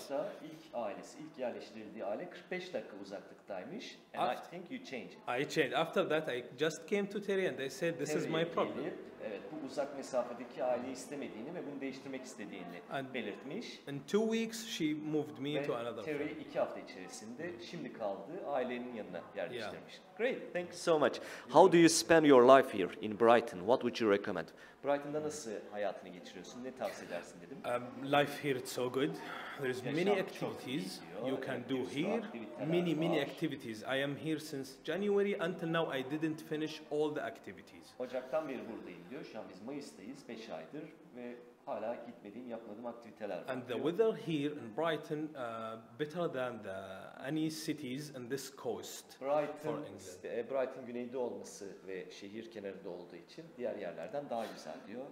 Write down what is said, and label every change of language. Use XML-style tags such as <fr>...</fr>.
<tr>Başta, ilk ailesi, ilk yerleştirildiği aile 45 dakika uzaklıktaymış.</tr> <en>And I think you changed. I changed. After that I just came to Terry and I said this Terry is my problem.</en> <tr>Evet, bu uzak mesafedeki aileyi istemediğini ve bunu değiştirmek istediğini</tr> <en>and</en> <tr>belirtmiş.</tr> <en>In 2 weeks she moved me</en> <tr>ve</tr> <en>to another Terry family.</en> <tr>2 hafta içerisinde şimdi kaldığı ailenin yanına yerleştirmiş.</tr> <en>Yeah. Great. Thank you so much. How do you spend your life here in Brighton? What would you recommend?</en> <tr>Brighton'da nasıl hayatını geçiriyorsun? Ne tavsiye edersin dedim.</tr> <en>Life here is so good. There is many activities you can do here. Many activities. I am here since January until now I didn't finish all the activities.</en> <tr>Ocak'tan beri buradayım diyor. Şu an biz Mayıs'tayız. 5 aydır ve hala gitmediğim, yapmadığım aktiviteler var.</tr> <en>And the weather here in Brighton better than the any cities in this coast.</en> <tr>Brighton güneyde olması ve şehir kenarında olduğu için diğer yerlerden daha güzel diyor.</tr>